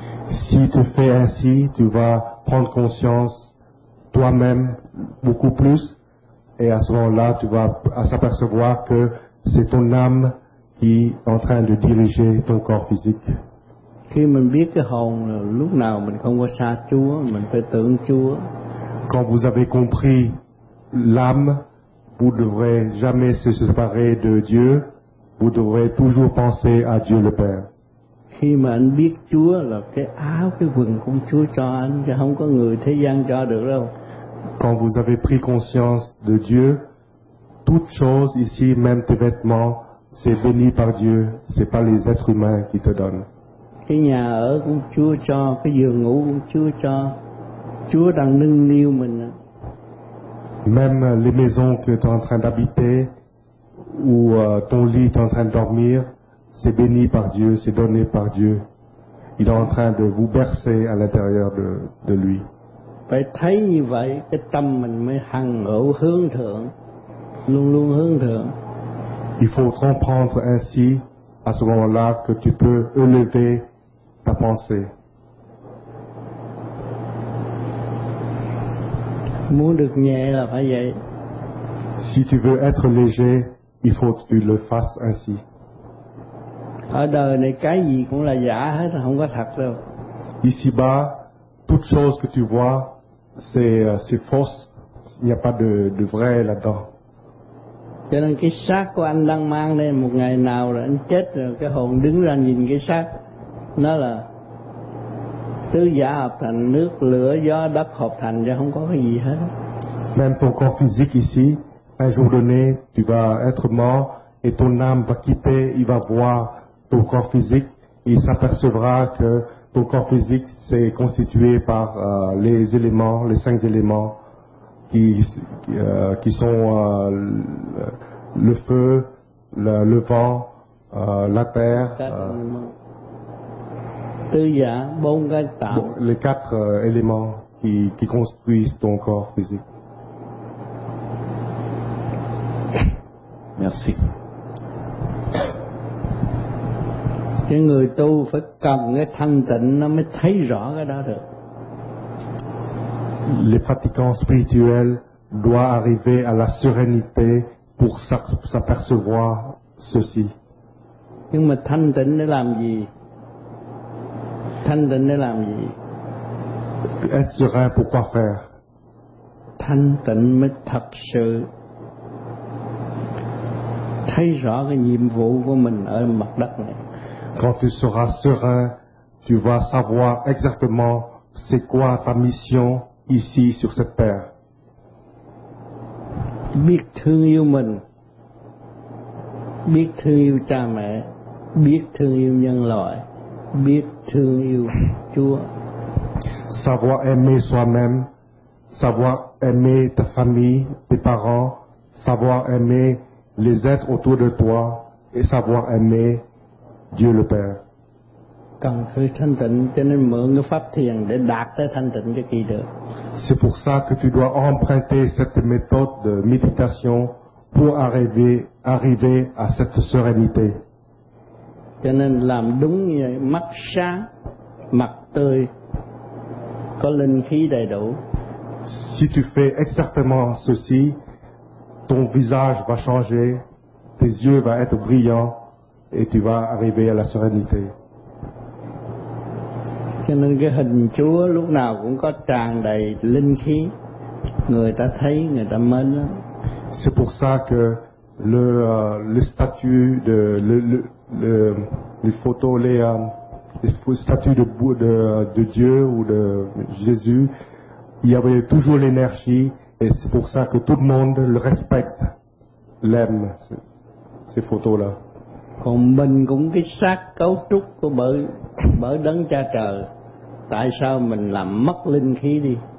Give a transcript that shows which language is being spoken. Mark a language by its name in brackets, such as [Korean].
[French] Si tu fais ainsi, tu vas prendre conscience toi-même beaucoup plus, et à ce moment-là, tu vas s'apercevoir que c'est ton âme qui est en train de diriger ton corps physique. [Vietnamese] Khi mình biết cái hồn là lúc nào mình không có xa Chúa, mình phải tưởng Chúa. [French] Quand vous avez compris l'âme, vous devrez jamais se séparer de Dieu, vous devrez toujours penser à Dieu le Père. [Vietnamese] Khi mà anh biết Chúa là cái áo, cái quần của Chúa cho anh, chứ không có người thế gian cho được đâu. [French] Quand vous avez pris conscience de Dieu, toutes choses ici, même tes vêtements, c'est béni par Dieu, c'est pas les êtres humains qui te donnent. [Vietnamese] Cái nhà ở của Chúa cho, cái giường ngủ của Chúa cho, Chúa đang nâng niu mình. [French] Même les maisons que tu es en train d'habiter ou ton lit tu es en train de dormir, c'est béni par Dieu, c'est donné par Dieu. Il est en train de vous bercer à l'intérieur de lui. [Vietnamese] Phải thấy như vậy, cái tâm mình mới hằng hữu hướng thượng, luôn luôn hướng thượng. [French] Il faut comprendre ainsi à ce moment-là que tu peux élever ta pensée. [Vietnamese] Muốn được nhẹ là phải vậy. [French] Si tu veux être léger, il faut que tu le fasses ainsi. [Vietnamese] Ở đời này cái gì cũng là giả hết, không có thật đâu. [French] Ici-bas, toute chose que tu vois, c'est fausse. Il n'y a pas de vrai là-dedans. [Vietnamese] Cho nên cái xác của anh đang mang đây, một ngày nào là anh chết rồi, cái hồn đứng ra nhìn cái xác, nó là tứ giả hợp thành nước, lửa, gió, đất hợp thành, chứ không có cái gì hết. [French] Même ton corps physique ici, un jour donné, tu vas être mort, et ton âme va quitter, il va voir ton corps physique, il s'apercevra que ton corps physique s'est constitué par les éléments, les 5 éléments, qui sont le feu, le vent, la terre, les 4 éléments qui construisent ton corps physique. Merci. [Vietnamese] Cái người tu phải cầm cái thanh tịnh nó mới thấy rõ cái đó được. [French] Les pratiquants spirituels doivent arriver à la sérénité pour s'apercevoir ceci. [Vietnamese] Nhưng mà thanh tịnh để làm gì? Thanh tịnh để làm gì? [French] Être serein pour quoi faire? [Vietnamese] Thanh tịnh mới thật sự thấy rõ cái nhiệm vụ của mình ở mặt đất này. [French] Quand tu seras serein, tu vas savoir exactement c'est quoi ta mission ici sur cette terre? [Vietnamese] Biết thương yêu mình, biết thương yêu cha mẹ, biết thương yêu nhân loại, biết thương yêu Chúa. [French] Savoir aimer soi-même, savoir aimer ta famille, tes parents, savoir aimer les êtres autour de toi et savoir aimer Dieu le Père. [Vietnamese] Cần phải thanh tịnh cho nên mượn cái pháp thiền để đạt tới thanh tịnh cho kỳ được. [French] C'est pour ça que tu dois emprunter cette méthode de méditation pour arriver à cette sérénité. [Vietnamese] Cho nên làm đúng như vậy, mắt sáng, mặt tươi, có linh khí đầy đủ. [French] Si tu fais exactement ceci, ton visage va changer, tes yeux vont être brillants et tu vas arriver à la sérénité. [Vietnamese] Cho nên cái hình Chúa lúc nào cũng có tràn đầy linh khí, người ta thấy người ta mến lắm. [French] C'est pour ça que le statue de les photos les statues de Dieu ou de Jésus, il y avait toujours l'énergie et c'est pour ça que tout le monde le respecte, l'aime ces photos là. [Vietnamese] Còn mình cũng cái xác cấu trúc của bởi đấng cha trời. Tại sao mình làm mất linh khí đi?